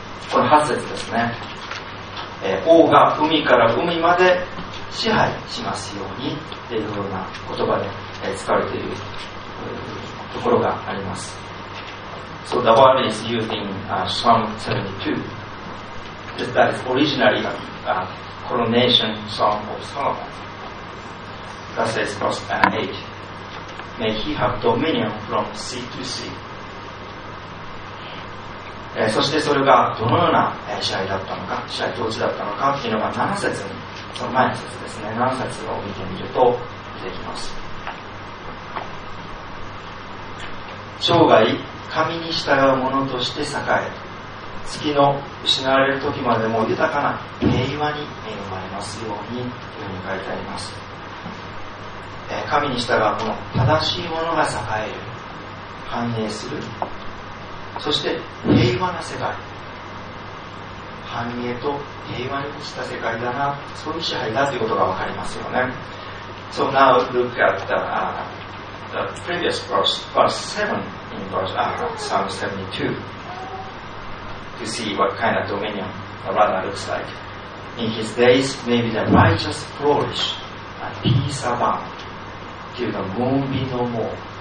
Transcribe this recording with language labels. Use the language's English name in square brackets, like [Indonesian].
[Japanese] この8節ですね、王が海から海まで支配しますようにというような言葉で使われているところがあります。 [English] So the word is used in Psalm 72 that is originally a coronation song of Solomon. That says verse 8, May he have dominion from sea to sea. [Japanese] そしてそれがどのような支配だったのか、支配統治だったのかというのが7節に、その前の節ですね、7節を見てみるとできます。生涯神に従う者として栄え、月の失われる時までも豊かな平和に恵まれますようにというふうに書いてあります。神に従う者、正しい者が栄える、繁栄する、そして平和な世界、繁栄と平和に満ちた世界だな、そういう支配だということが分かりますよね。 [English] So now look at the previous verse, verse 7 in Psalm 72 to see what kind of dominion the runner looks like. In his days maybe the righteous flourish and peace abound till the moon be no more.